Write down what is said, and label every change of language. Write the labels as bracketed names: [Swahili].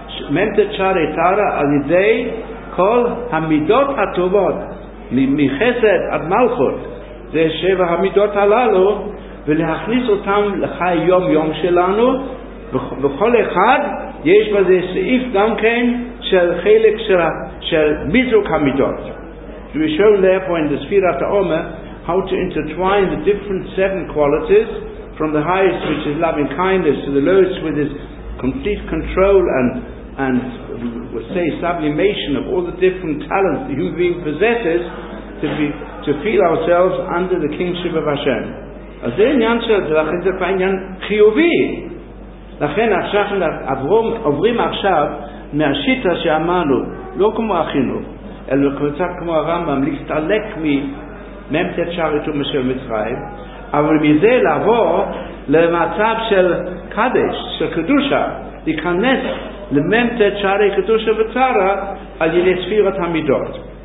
[Hebrew] מנטת שערי תהרה על ידי כל המידות הטובות, מחסד עד מלכות, זה שבע המידות הללו, ולהכניס אותם לחיי יום יום שלנו. בכל אחד יש בזה סעיף גם כן של חלק של מידוק המידות. [English] We show therefore in the Sfirat HaOmer how to intertwine the different seven qualities, from the highest, which is loving kindness, to the lowest, with his complete control and we'll say sublimation of all the different talents the human being possesses, to feel ourselves under the kingship of Hashem. [Hebrew] אז זה עניין של זה, לכן זה עניין חיובי. לכן עכשיו עוברים עכשיו מהשיטה שאמרנו, לא כמו החינוך, אלא קצת כמו הרמב״ם, להסתלק ממתת שער איתו משל מצרים, אבל מזה לעבור למצב של קדש, של קדושה, להיכנס למנטת שערי קדושה וצערה על ידי ספירת המידות.